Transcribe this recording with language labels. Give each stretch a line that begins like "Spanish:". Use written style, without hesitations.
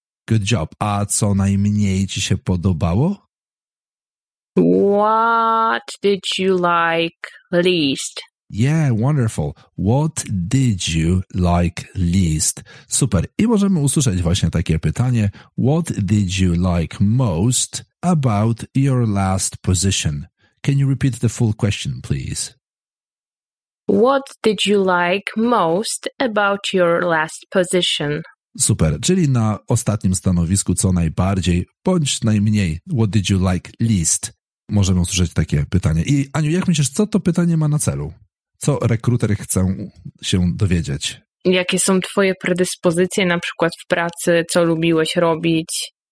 English: Good job.
Polish: A co najmniej ci się podobało?
English: What did you like least? Yeah, wonderful. What did you like least? Super.
Polish: I możemy usłyszeć właśnie takie pytanie.
English: What did you like most about your last position? Can you repeat the full question, please? What did you like most about your last position?
Polish: Super, czyli na ostatnim stanowisku co najbardziej, bądź najmniej,
English: what did you like least?
Polish: Możemy usłyszeć takie pytanie. I Aniu, jak myślisz, co to pytanie ma na celu? Co rekruter chce się dowiedzieć? Jakie są twoje predyspozycje, na przykład w pracy, co lubiłeś robić?